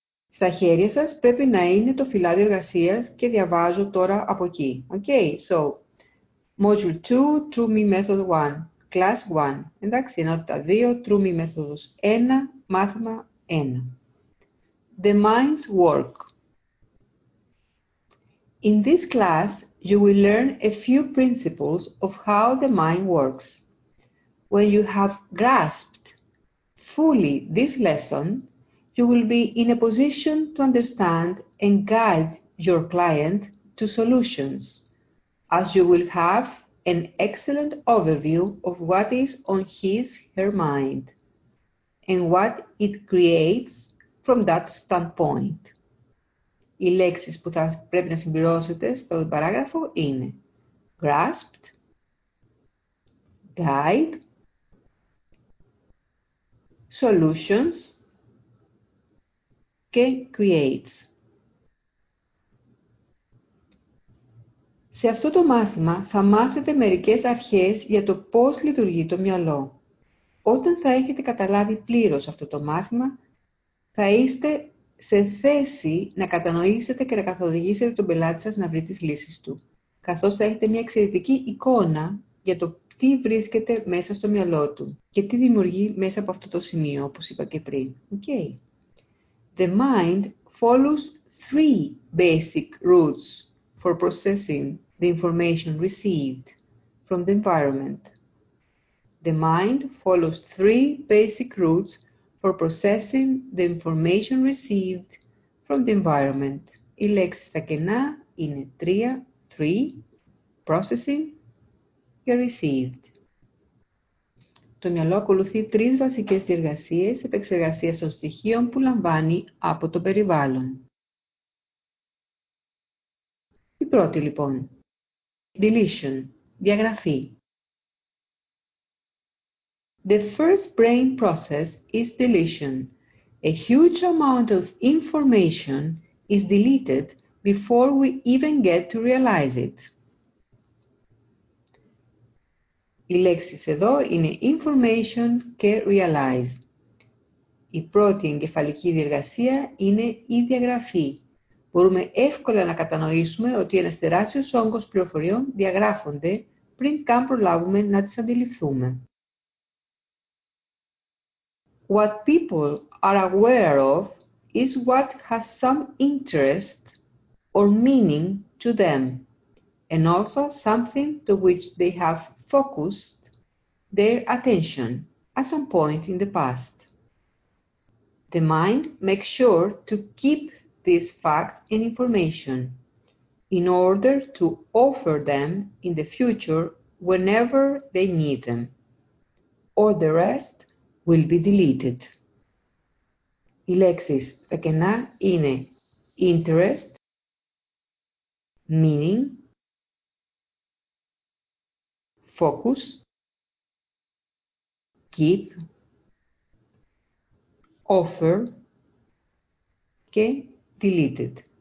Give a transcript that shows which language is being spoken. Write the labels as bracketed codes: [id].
[el] Στα χέρια σας πρέπει να είναι το φυλάδιο εργασίας και διαβάζω τώρα από εκεί. [en] Okay, so, Module 2, TrueMe Method 1, Class 1. [el] Εντάξει, ενότητα 2, TrueMe Μέθοδος 1, Μάθημα 1. [en] The Mind's Work. In this class, you will learn a few principles of how the mind works. When you have grasped fully this lesson, you will be in a position to understand and guide your client to solutions, as you will have an excellent overview of what is on his/her mind and what it creates from that standpoint. [el] Οι λέξεις που θα πρέπει να συμπληρώσετε στο παράγραφο είναι [en] grasped, guide, solutions, [el] και [en] creates. [el] Σε αυτό το μάθημα θα μάθετε μερικές αρχές για το πώς λειτουργεί το μυαλό. Όταν θα έχετε καταλάβει πλήρως αυτό το μάθημα, θα είστε σε θέση να κατανοήσετε και να καθοδηγήσετε τον πελάτη σας να βρει τις λύσεις του, καθώς θα έχετε μια εξαιρετική εικόνα για το τι βρίσκεται μέσα στο μυαλό του και τι δημιουργεί μέσα από αυτό το σημείο, όπως είπα και πριν. [en] Okay. The mind follows three basic routes for processing the information received from the environment. The mind follows three basic routes for processing the information received from the environment. [el] Οι λέξεις στα κενά είναι τρία, [en] three, processing [el] και [en] received. [el] Το μυαλό ακολουθεί τρεις βασικές διεργασίες επεξεργασίας των στοιχείων που λαμβάνει από το περιβάλλον. Η πρώτη λοιπόν. Deletion. Διαγραφή. [en] The first brain process is deletion. A huge amount of information is deleted before we even get to realize it. [el] Οι λέξεις εδώ είναι [en] information [el] και [en] realize. [el] Η πρώτη εγκεφαλική διεργασία είναι η διαγραφή. Μπορούμε εύκολα να κατανοήσουμε ότι ένας τεράστιος όγκος πληροφοριών διαγράφονται πριν καν προλάβουμε να τις αντιληφθούμε. [en] What people are aware of is what has some interest or meaning to them and also something to which they have focused their attention at some point in the past. The mind makes sure to keep these facts and information in order to offer them in the future whenever they need them. All the rest will be deleted. [el] Οι λέξεις τα κενά είναι [en] interest, meaning, focus, keep, offer [el] και [en] deleted.